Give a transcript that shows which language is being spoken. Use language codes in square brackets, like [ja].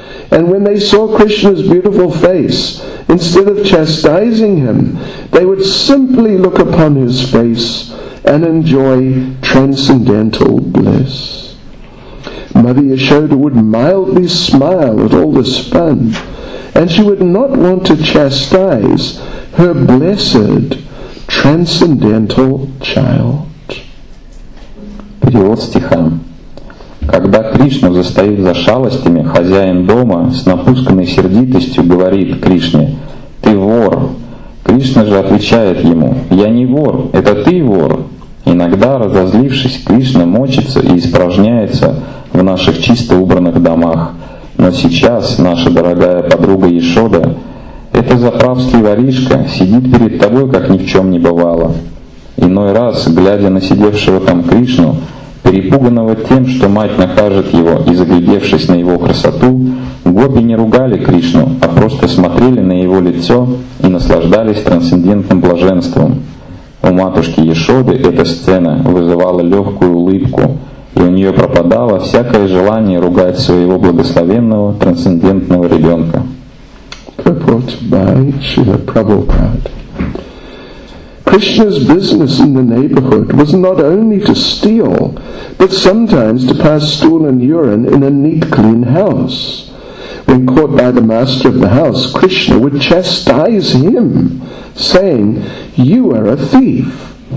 [en] And when they saw Krishna's beautiful face, instead of chastising him, they would simply look upon his face and enjoy transcendental bliss. Mother Yashoda would mildly smile at all this fun, and she would not want to chastise her blessed transcendental child. [ru] Перевод стиха. Когда Кришна застает за шалостями, хозяин дома с напускной сердитостью говорит Кришне: «Ты вор!» Кришна же отвечает ему: «Я не вор, это ты вор!» Иногда, разозлившись, Кришна мочится и испражняется в наших чисто убранных домах. Но сейчас наша дорогая подруга Яшода, эта заправский воришка, сидит перед тобой, как ни в чем не бывало. Иной раз, глядя на сидевшего там Кришну, перепуганного тем, что мать накажет его, и заглядевшись на его красоту, гопи не ругали Кришну, а просто смотрели на его лицо и наслаждались трансцендентным блаженством. У матушки Яшоды эта сцена вызывала легкую улыбку, и у нее пропадало всякое желание ругать своего благословенного трансцендентного ребенка. [en] Purport by Srila Prabhupada. Krishna's business in the neighborhood was not only to steal, but sometimes to pass stool and urine in a neat, clean house. when caught by the master of the house, Krishna would chastise him, saying, "You are a thief."